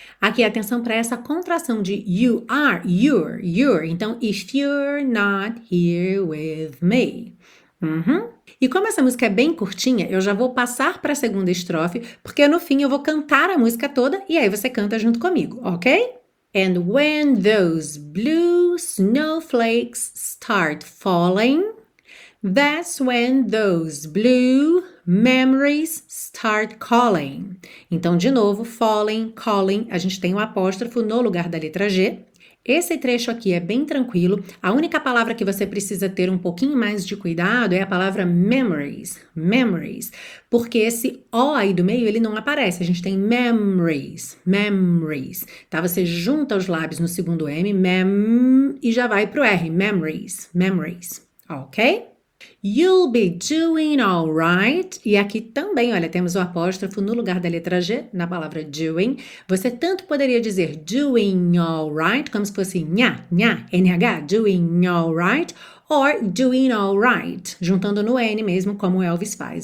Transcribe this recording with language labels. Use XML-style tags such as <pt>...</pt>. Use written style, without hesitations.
<pt>Aqui, atenção para essa contração de</pt> <en>you are, you're.</en> <pt>Então,</pt> <en>if you're not here with me. Uhum.</en> <pt>E como essa música é bem curtinha, eu já vou passar para a segunda estrofe, porque no fim eu vou cantar a música toda e aí você canta junto comigo, ok?</pt> <en>And when those blue snowflakes start falling, that's when those blue memories start calling.</en> <pt>Então, de novo, falling, calling, a gente tem um apóstrofo no lugar da letra G. Esse trecho aqui é bem tranquilo. A única palavra que você precisa ter um pouquinho mais de cuidado é a palavra memories. Memories. Porque esse O aí do meio, ele não aparece. A gente tem memories. Memories. Tá? Você junta os lábios no segundo M, e já vai pro R. Memories. Memories. Ok?</pt> <en>You'll be doing all right.</en> <pt>E aqui também, olha, temos o apóstrofo no lugar da letra G, na palavra doing. Você tanto poderia dizer</pt> <en>doing all right,</en> <pt>como se fosse nha, nha, nh, doing all right,</pt> <en>or doing all right,</en> <pt>juntando no N mesmo, como o Elvis faz.</pt>